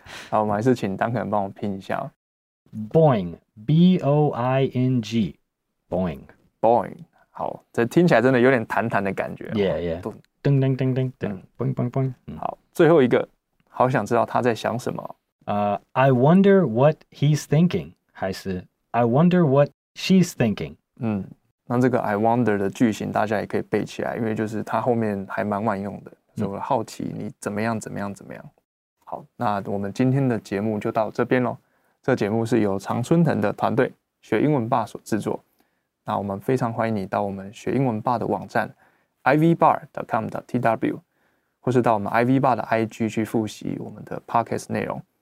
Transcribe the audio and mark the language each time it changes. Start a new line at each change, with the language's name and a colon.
Chinese: 好我们还是请丹肯帮我拼一下
English: boing b-o-i-n-g boing
Chinese: boing 好这听起来真的有点弹弹的感觉
English: yeah yeah 噔噔噔噔噔 boing boing boing
Chinese: 好最后一个好想知道他在想什么
English: I wonder what he's thinking 还是 I wonder what she's thinking
Chinese: 那这个 I wonder 的句型大家也可以背起来因为就是它后面还蛮万用的所以我好奇你怎么样怎么样怎么样好那我们今天的节目就到这边咯这节目是由常春藤的团队学英文吧所制作那我们非常欢迎你到我们学英文吧的网站 ivbar.com.tw 或是到我们 ivbar 的 IG 去复习我们的 podcast 内容